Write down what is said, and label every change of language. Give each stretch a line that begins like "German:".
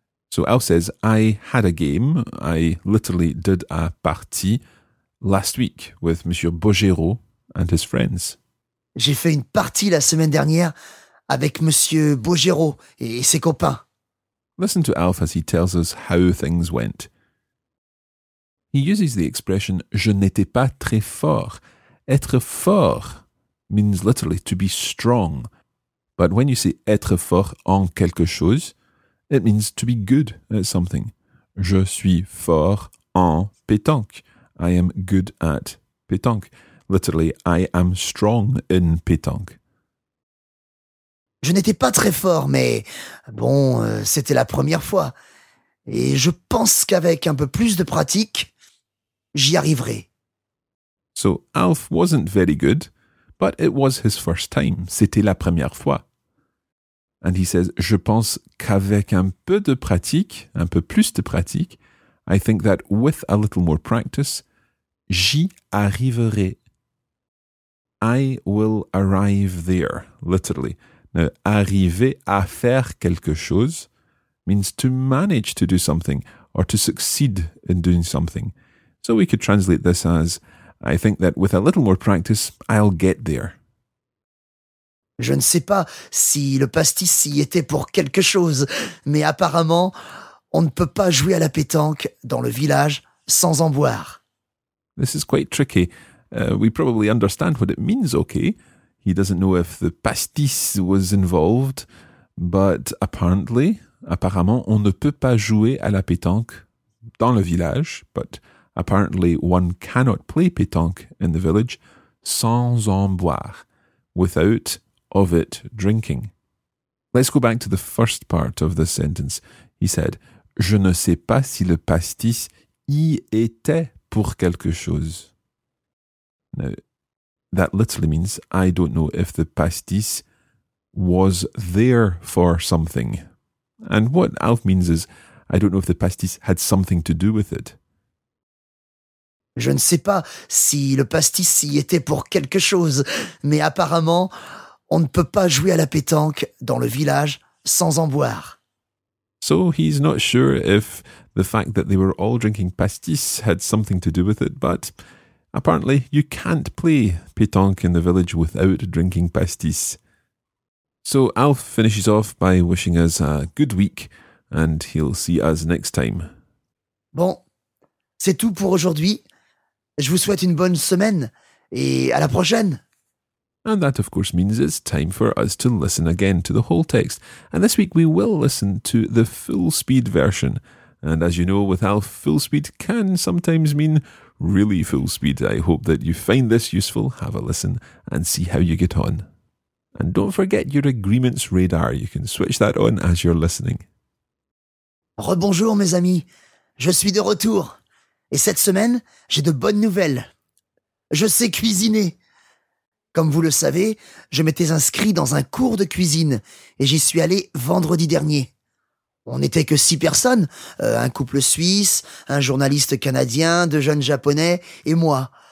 English: So Al says, I had a game, I literally did a partie last week with Monsieur Bogero and his friends.
French: J'ai fait une partie la semaine dernière avec Monsieur Bogero et ses copains.
English: Listen to Alf as he tells us how things went. He uses the expression,
French: je n'étais pas très fort.
English: Être fort means literally to be strong. But when you say
French: être fort en quelque chose,
English: it means to be good at something.
French: Je suis fort en pétanque.
English: I am good at pétanque. Literally, I am strong in pétanque.
French: Je n'étais pas très fort, mais bon, c'était la première fois. Et je pense qu'avec un peu plus de pratique, j'y arriverai.
English: So, Alf wasn't very good, but it was his first time.
French: C'était la première fois.
English: And he says,
French: je pense qu'avec un peu de pratique, un peu plus de pratique,
English: I think that with a little more practice,
French: j'y arriverai.
English: I will arrive there, literally. Now,
French: arriver à faire quelque chose,
English: means to manage to do something or to succeed in doing something. So we could translate this as, I think that with a little more practice, I'll get there.
French: Je ne sais pas si le pastis y était pour quelque chose, mais apparemment, on ne peut pas jouer à la pétanque dans le village sans en boire.
English: This is quite tricky. We probably understand what it means, okay? He doesn't know if the pastis was involved, but
French: apparemment, on ne peut pas jouer à la pétanque dans le village,
English: but apparently one cannot play pétanque in the village
French: sans en boire,
English: without of it drinking. Let's go back to the first part of the sentence. He said,
French: je ne sais pas si le pastis y était pour quelque chose.
English: Now, that literally means, I don't know if the pastis was there for something. And what Alf means is, I don't know if the pastis had something to do with it.
French: Je ne sais pas si le pastis y était pour quelque chose, mais apparemment, on ne peut pas jouer à la pétanque dans le village sans en boire.
English: So he's not sure if the fact that they were all drinking pastis had something to do with it, but apparently you can't play pétanque in the village without drinking pastis. So Alf finishes off by wishing us a good week, and he'll see us next time.
French: Bon, c'est tout pour aujourd'hui. Je vous souhaite une bonne semaine, et à la prochaine!
English: And that, of course, means it's time for us to listen again to the whole text. And this week we will listen to the full speed version. And as you know, with Alf, full speed can sometimes mean really full speed. I hope that you find this useful. Have a listen and see how you get on. And don't forget your agreements radar. You can switch that on as you're listening.
French: Rebonjour, mes amis. Je suis de retour. Et cette semaine, j'ai de bonnes nouvelles. Je sais cuisiner. Comme vous le savez, je m'étais inscrit dans un cours de cuisine et j'y suis allé vendredi dernier. On n'était que 6 personnes, un couple suisse, un journaliste canadien, 2 jeunes japonais et moi.